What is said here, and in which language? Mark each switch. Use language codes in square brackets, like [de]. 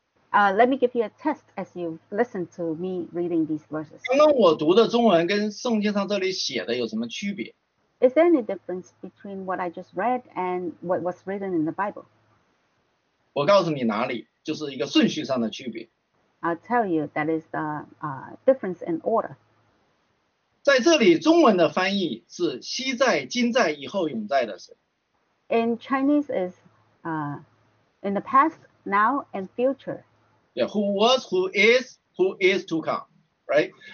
[en] Let me give you a test as you listen to me reading these verses. [zh] 刚刚我读的中文跟圣经上这里写的有什么区别？ [en] Is there any difference between what I just read and what was written in the Bible? [zh] 我告诉你哪里，就是一个顺序上的区别。 [en] I'll tell you that is the difference in order. [zh] 在这里中文的翻译是昔在、今在、以后永在的神。 [en] In Chinese is in the past, now, and future. Yeah, who was, who is to come, right?